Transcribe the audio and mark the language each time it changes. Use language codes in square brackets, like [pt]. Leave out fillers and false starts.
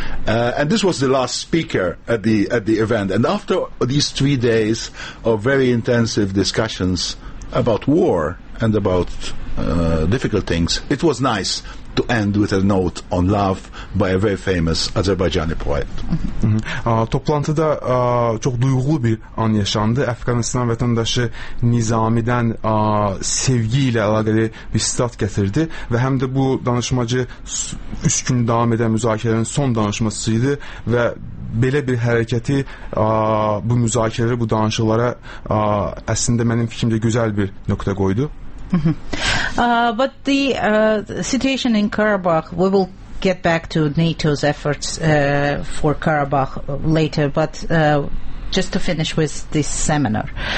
[en] And this was the last speaker at the event. And after these 3 days of very intensive discussions about war and about difficult things, it was nice to end with a note on love by a very famous Azerbaijani poet. [az] Toplantıda çox duyğulu bir an yaşandı. Afganistan vətəndaşı Nizami'dən sevgi ilə əlaqəli bir sitat gətirdi və həm də bu danışmacı 3 gün davam edən müzakirənin son danışması idi və belə bir hərəkəti bu müzakirələrə, bu danışıqlara əslində mənim fikrimcə gözəl bir nöqtə qoydu. [en] But the situation in Karabakh, we will get back to NATO's efforts for Karabakh later, but just to finish with this seminar.